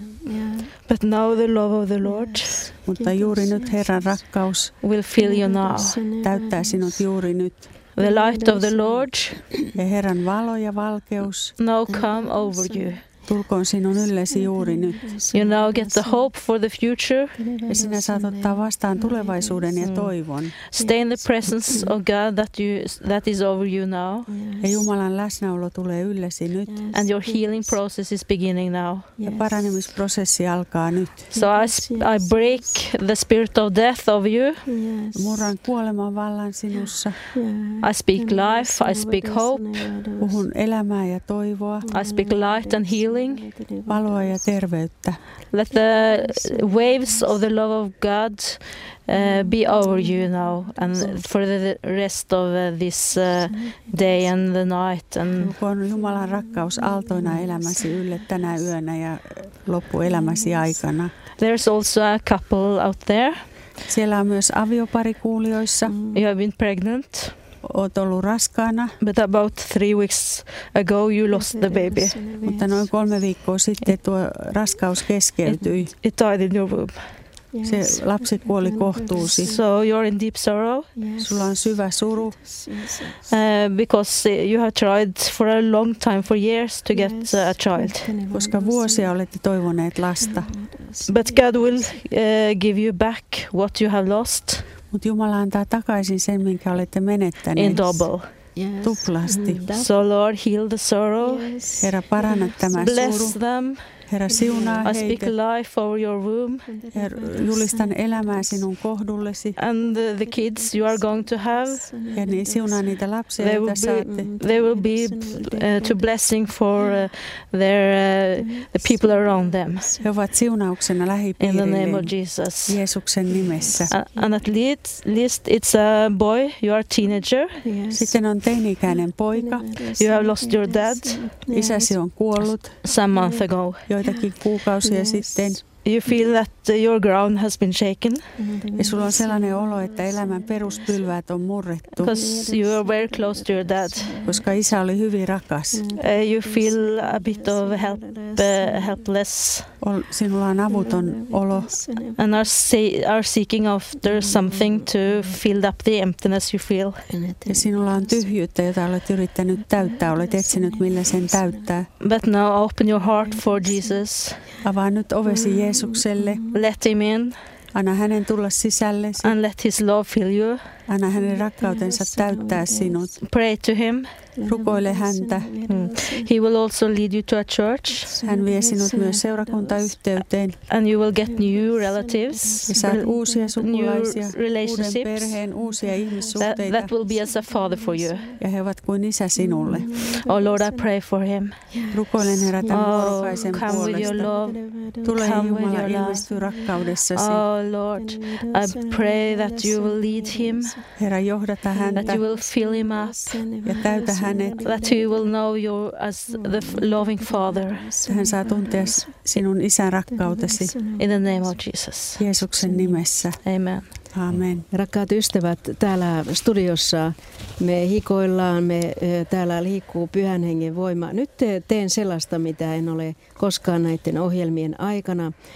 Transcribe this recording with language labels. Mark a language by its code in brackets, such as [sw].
[en] Yeah. But now the love of the Lord. Yes. [fi] Mutta juuri nyt Herran rakkaus [en] will fill you now. [fi] Täyttää sinut juuri nyt. [en] The light of the Lord. [fi] Ja Herran valo ja valkeus. [en] Now come over you. [fi] Tulkoon sinun yllesi juuri nyt. [en] You now get the hope for the future. [fi] Ja sinä saat ottaa vastaan tulevaisuuden ja toivon. [en] Stay in the presence of God that is over you now. [fi] Ja Jumalan läsnäolo tulee yllesi nyt. [en] And your healing process is beginning now. [fi] Ja paranemisprosessi alkaa nyt. [en] So I break the spirit of death of you. [fi] Murran kuoleman vallan sinussa. [en] I speak life, I speak hope. [fi] Puhun elämää ja toivoa. [en] I speak light and healing. [fi] Valoa ja terveyttä. [en] Let the waves of the love of God be over you now and for the rest of this day and the night. [fi] Tulkoon Jumalan rakkaus aaltoina elämäsi ylle tänä yönä ja loppuelämäsi aikana. [en] There's also a couple out there. [fi] Siellä on myös aviopari kuulijoissa. [en] You have been pregnant. [fi] Oot ollut raskaana. [en] But about 3 weeks ago you lost the baby. [fi] Mutta noin 3 viikkoa sitten tuo raskaus keskeytyi. [en] It died in your womb. [fi] Se lapsi kuoli kohtuusi. [en] So you're in deep sorrow. [fi] Sulla on syvä suru. [en] Because you have tried for a long time, for years to get a child. [fi] Koska vuosia olette toivoneet lasta. [en] But God will give you back what you have lost. [fi] Mut Jumala antaa takaisin sen, minkä olette menettäneet. [en] In double. [fi] Tuplasti. [en] So Lord, heal the sorrow. [fi] Herra, paranna tämä suru. [en] Bless them. [fi] Herra, siunaa heitä. [en] I speak life over your womb. [fi] Herra, julistan elämää sinun kohdullesi. [en] And the kids you are going to have. [fi] Ja niin, siunaa niitä lapsia, joita saatte. [en] They will be to blessing for their the people around them. [fi] He ovat siunauksena lähipiirille. [en] In the name of Jesus. [fi] Jeesuksen nimessä. [en] And at least it's a boy, you are a teenager. [fi] Sitten on teini-ikäinen poika. [en] You have lost your dad. [fi] Isäsi on kuollut. [en] Some month ago. [fi] Joitakin kuukausia sitten. [en] You feel that your ground has been shaken. [fi] Ja sulla on sellainen olo, että elämän peruspylväät on murrettu. [en] Because you are very close to your dad. [fi] Koska isä oli hyvin rakas. [en] You feel a bit of helpless. [fi] Sinulla on avuton olo. [en] And are seeking after something to fill up the emptiness you feel. [fi] Ja sinulla on tyhjyyttä, jota olet yrittänyt täyttää. Olet etsinyt, millä sen täyttää. [en] But now open your heart for Jesus. [fi] Avaa nyt ovesi Jeesukselle. [en] Let him in. [fi] Anna hänen tulla sisällesi. [en] And let his love fill you. [fi] Anna hänen rakkautensa täyttää sinut. [en] Pray to him. [fi] Rukoile häntä. [en] He will also lead you to a church. [fi] Hän vie sinut myös seurakuntayhteyteen. [en] And you will get new relatives. [fi] Ja saat uusia sukulaisia, uuden perheen, uusia ihmissuhteita. [en] That will be as a father for you. [fi] Ja he ovat kuin isä sinulle. [en] Oh Lord, I pray for him. [fi] Rukoilen Herra tämän vuorokaisen puolesta. [en] Come with your love. [fi] Tule Jumala, ilmesty rakkaudessasi. [en] Oh Lord, I pray that you will lead him. [fi] Herra, johdata häntä. [en] That you will fill him up. [fi] Ja täytä hänet. [en] That he will know you as the loving father. [fi] Hän saa tuntea sinun isän rakkautesi. [en] In the name of Jesus. [fi] Jeesuksen nimessä. [en] Amen. [fi] Amen. Rakkaat ystävät, täällä studiossa me hikoillaan, me täällä liikkuu Pyhän Hengen voima. Nyt teen sellaista, mitä en ole koskaan näiden ohjelmien aikana.